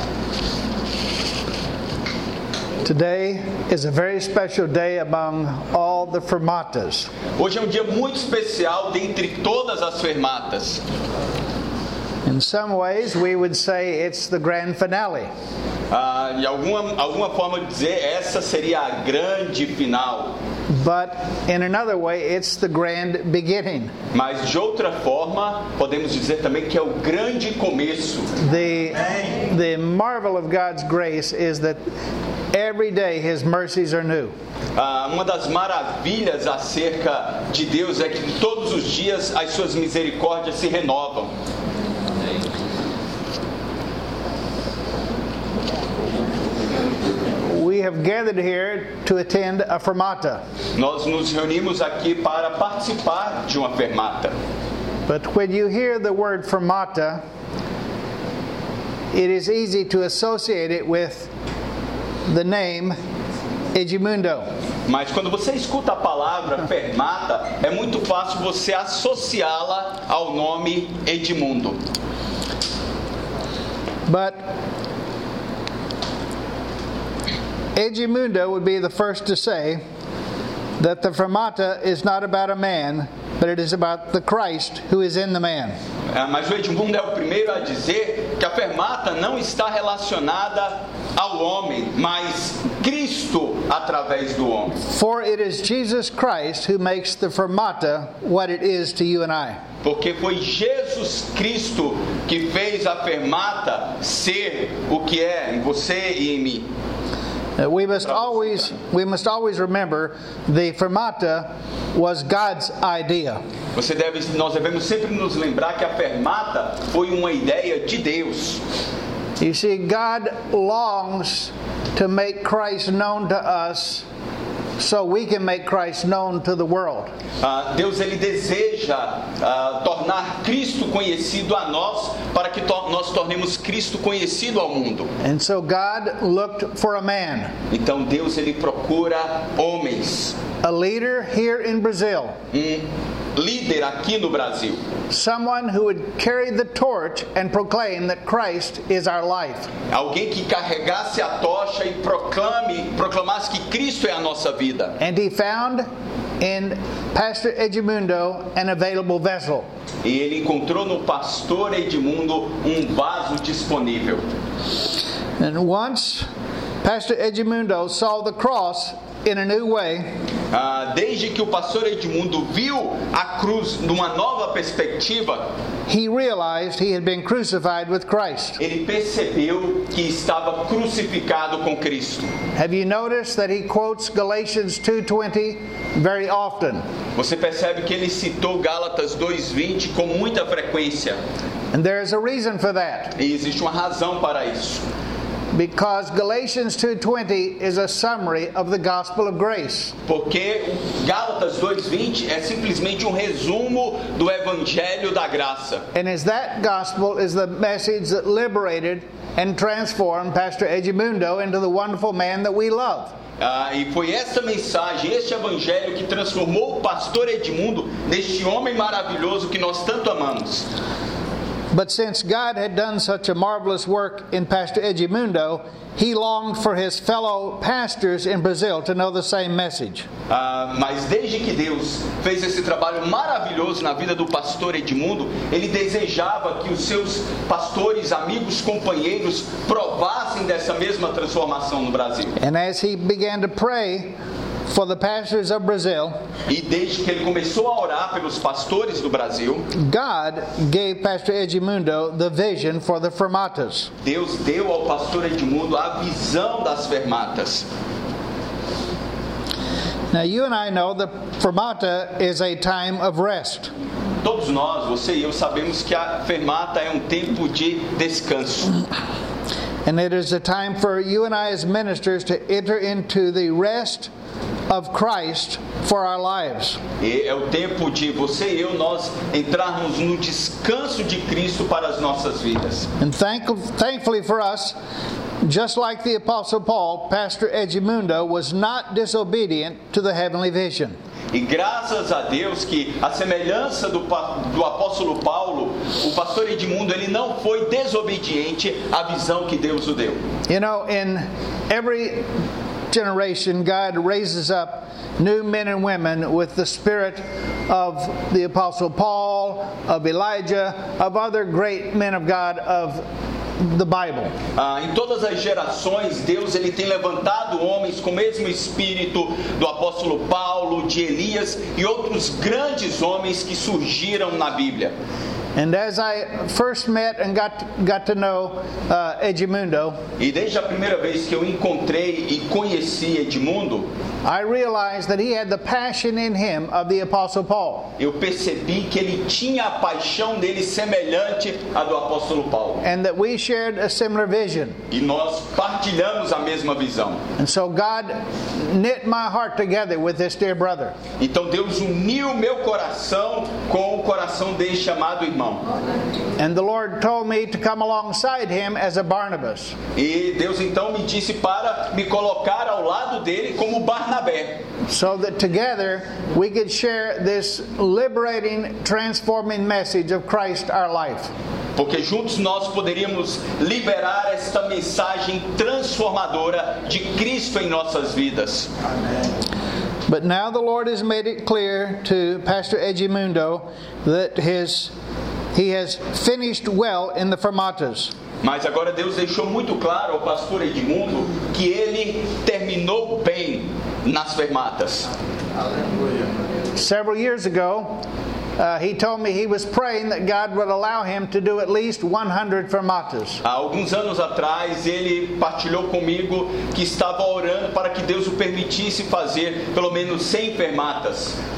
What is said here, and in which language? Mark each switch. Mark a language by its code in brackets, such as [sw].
[en] Today is a very special day among all the Fermatas. [pt] Hoje é um dia muito especial dentre todas as Fermatas. [en] In some ways we would say it's the grand finale. [pt] De alguma forma de dizer, essa seria a grande final. [en] But in another way it's the grand beginning. [pt] Mas de outra forma podemos dizer também que é o grande começo. [en] The marvel of God's grace is that every day his mercies are new. [pt] Uma das maravilhas acerca de Deus é que todos os dias as suas misericórdias se renovam. [en] We have gathered here to attend a fermata. [pt] Nós nos reunimos aqui para participar de uma fermata. [en] But when you hear the word fermata, it is easy to associate it with the name Edmundo. [pt] Mas quando você escuta a palavra fermata, é muito fácil você associá-la ao nome Edmundo. [en] But Edmundo would be the first to say that the fermata is not about a man, but it is about the Christ who is in the man. [pt] Mas o Edmundo é o primeiro a dizer que a fermata não está relacionada ao homem, mas Cristo através do homem. [en] For it is Jesus Christ who makes the fermata what it is to you and I. [pt] Porque foi Jesus Cristo que fez a fermata ser o que é em você e em mim. [en] We must always remember the fermata was God's idea. [pt] Nós devemos sempre nos lembrar que a fermata foi uma ideia de Deus. [en] You see, God longs to make Christ known to us so we can make Christ known to the world. [pt] Deus ele deseja tornar Cristo conhecido a nós para que nós tornemos Cristo conhecido ao mundo. [en] And so God looked for a man. [pt] Então Deus ele procura homens. [en] A leader here in Brazil. [pt] Líder aqui no Brasil. [en] Someone who would carry the torch and proclaim that Christ is our life. [pt] Alguém que carregasse a tocha e proclamasse que Cristo é a nossa vida. [en] And he found in Pastor Edmundo an available vessel. [pt] E ele encontrou no Pastor Edmundo vaso disponível. [en] And once Pastor Edmundo saw the cross in a new way. [pt] Desde que o pastor Edmundo viu a cruz numa nova perspectiva, [en] he realized he had been crucified with Christ. [pt] Ele percebeu que estava crucificado com Cristo. [en] Have you noticed that he quotes Galatians 2:20 very often? [pt] Você percebe que ele citou Gálatas 2:20 com muita frequência. [en] And there is a reason for that. [pt] E existe uma razão para isso. [en] Because Galatians 2:20 is a summary of the gospel of grace. [pt] Porque Gálatas 2:20 é simplesmente resumo do evangelho da graça. [en] And is that gospel is the message that liberated and transformed Pastor Edmundo into the wonderful man that we love. [pt] E foi essa mensagem, este evangelho que transformou o pastor Edmundo neste homem maravilhoso que nós tanto amamos. [en] But since God had done such a marvelous work in Pastor Edmundo, he longed for his fellow pastors in Brazil to know the same message. [pt] Mas desde que Deus fez esse trabalho maravilhoso na vida do pastor Edmundo, ele desejava que os seus pastores, amigos, companheiros provassem dessa mesma transformação no Brasil. [en] And as he began to pray for the pastors of Brazil, [pt] e desde que ele começou a orar pelos pastores do Brasil, [en] God gave Pastor Edmundo the vision for the Fermatas. [pt] Deus deu ao Pastor Edmundo a visão das Fermatas. [en] Now you and I know that Fermata is a time of rest. [pt] Todos nós, você e eu, sabemos que a Fermata é tempo de descanso. [en] And it is a time for you and I as ministers to enter into the rest of Christ for our lives. [pt] É o tempo de você e eu nós entrarmos no descanso de Cristo para as nossas vidas. [en] And thankfully for us, just like the Apostle Paul, Pastor Edmundo was not disobedient to the heavenly vision. [pt] E graças a Deus que a semelhança do apóstolo Paulo, o pastor Edmundo, ele não foi desobediente à visão que Deus o deu. [en] You know, in every generation, God raises up new men and women with the spirit of the apostle Paul, of Elijah, of other great men of God of the Bible. [pt] Em todas as gerações, Deus ele tem levantado homens com o mesmo espírito do apóstolo Paulo, de Elias e outros grandes homens que surgiram na Bíblia. [en] And as I first met and got to know Edmundo, [pt] e desde a primeira vez que eu encontrei e conheci Edmundo, [en] I realized that he had the passion in him of the apostle Paul. [pt] Eu percebi que ele tinha a paixão dele semelhante à do apóstolo Paulo. [en] And that we shared a similar vision. [pt] E nós partilhamos a mesma visão. [en] And so God knit my heart together with this dear brother. [pt] Então Deus uniu meu coração com o coração desse chamado irmão. [en] And the Lord told me to come alongside him as a Barnabas. [pt] E Deus então me disse para me colocar ao lado dele como [en] so that together we could share this liberating, transforming message of Christ our life. [pt] Porque juntos nós poderíamos liberar esta mensagem transformadora de Cristo em nossas vidas. [en] But now the Lord has made it clear to Pastor Edmundo that he has finished well in the Fermatas. [pt] Mas agora Deus deixou muito claro ao Pastor Edmundo que ele terminou bem nas Fermatas. [en] Several years ago, he told me he was praying that God would allow him to do at least 100 Fermatas. [pt] Alguns anos atrás, ele partilhou comigo que estava orando para que Deus o permitisse fazer pelo menos 100 Fermatas.